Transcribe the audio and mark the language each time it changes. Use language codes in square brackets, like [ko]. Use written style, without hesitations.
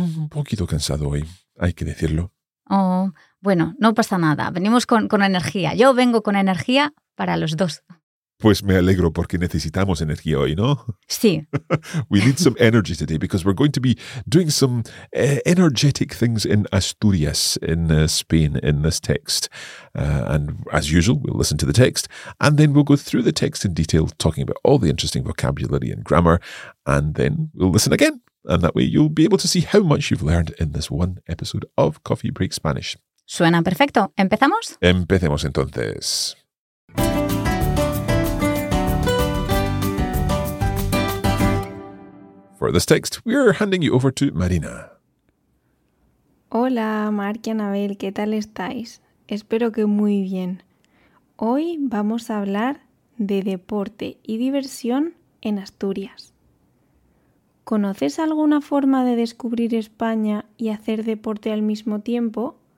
[es] Un poquito cansado hoy, hay que decirlo. Oh, bueno, no pasa nada. Venimos con energía. Yo vengo con energía para los dos. Pues me alegro porque necesitamos energía hoy, ¿no? Sí. [en] We need some energy today because we're going to be doing some energetic things in Asturias, in Spain, in this text. And as usual, we'll listen to the text and then we'll go through the text in detail, talking about all the interesting vocabulary and grammar. And then we'll listen again. And that way you'll be able to see how much you've learned in this one episode of Coffee Break Spanish. [es] Suena perfecto. ¿Empezamos? Empecemos entonces. [en] For this text, we are handing you over to Marina. [es] Hola, Marc y Anabel, ¿qué tal estáis? Espero que muy bien. Hoy vamos a hablar de deporte y diversión en Asturias. ¿Conoces alguna forma de descubrir España y hacer deporte al mismo tiempo?